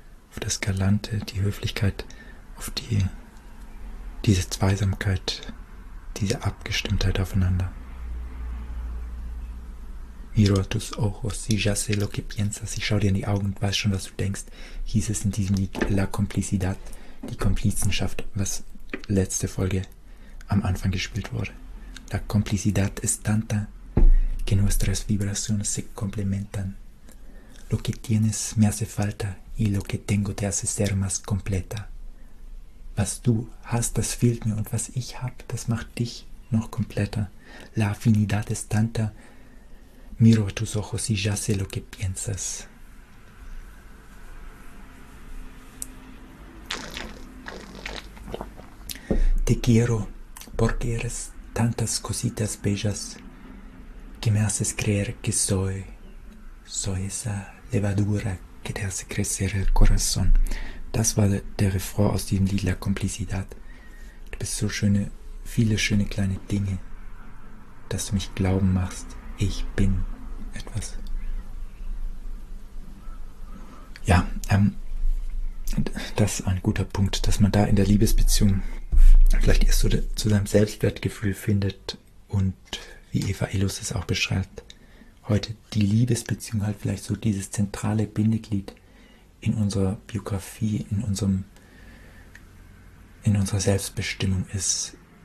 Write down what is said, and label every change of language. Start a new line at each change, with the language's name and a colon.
German: Auf das Galante, die Höflichkeit, auf diese Zweisamkeit, diese Abgestimmtheit aufeinander.
Spanish: Miro tus ojos, si ya sé lo que piensas,
German: ich schau dir in die Augen und weiß schon, was du denkst, hieß es in diesem Lied La Complicidad, die Komplizenschaft, was letzte Folge am Anfang gespielt wurde.
Spanish: La Complicidad es tanta que nuestras vibraciones se complementan. Lo que tienes me hace falta y lo que tengo te hace ser más completa.
German: Was du hast, das fehlt mir und was ich hab, das macht dich noch kompletter.
Spanish: La Affinidad es tanta. Miro a tus ojos y ya sé lo que piensas. Te quiero porque eres tantas cositas bellas que me haces creer que soy esa levadura que te hace crecer el corazón.
German: Das war der Refrain aus diesem Lied La Complicidad. Du bist so schöne, viele schöne kleine Dinge, dass du mich glauben machst, ich bin etwas. Ja, das ist ein guter Punkt, dass man da in der Liebesbeziehung vielleicht erst so zu seinem Selbstwertgefühl findet und wie Eva Illouz es auch beschreibt, heute die Liebesbeziehung halt vielleicht so dieses zentrale Bindeglied in unserer Biografie, in unserer Selbstbestimmung ist.